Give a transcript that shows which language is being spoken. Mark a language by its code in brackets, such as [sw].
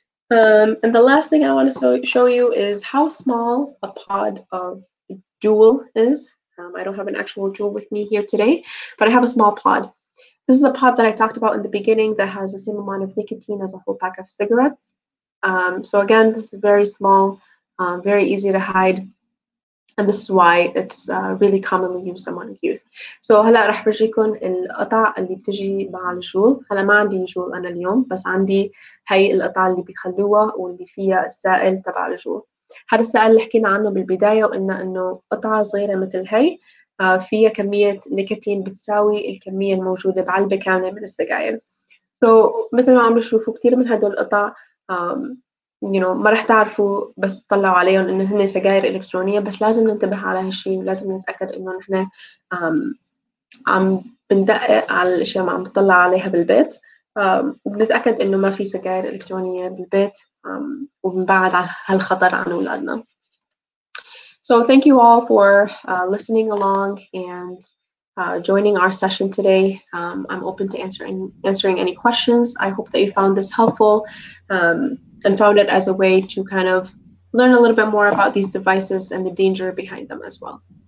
[en] And the last thing I want to show you is how small a pod of Juul is. I don't have an actual Juul with me here today, but I have a small pod. This is a pod that I talked about in the beginning that has the same amount of nicotine as a whole pack of cigarettes. So again, this is very small, very easy to hide, and this is why it's really commonly used among youth. [ar] So هلا رح برجيكم القطع اللي بتجي مع الجول. هلا ما عندي جول أنا اليوم بس عندي هاي القطع اللي بيخلوها واللي فيها السائل تبع الجول. هذا السائل اللي حكينا عنه بالبداية وقلنا إنه قطعة صغيرة مثل هاي فيها كمية نيكوتين بتساوي الكمية الموجودة بعلبة كاملة من السجائر. So مثل ما عم بتشوفوا كتير من هدول القطع [en] you know, [ar] ما رح تعرفوا بس تطلعوا عليهم إنه هن سجائر إلكترونية بس لازم ننتبه على هالشي ولازم نتأكد إنه نحن عم بندقق على الأشياء ما عم بتطلع عليها بالبيت وبنتأكد إنه ما في سجائر إلكترونية بالبيت وبنبعد على هالخطر عن أولادنا. [en] So thank you all for listening along and joining our session today. I'm open to answering any questions. I hope that you found this helpful and found it as a way to kind of learn a little bit more about these devices and the danger behind them as well.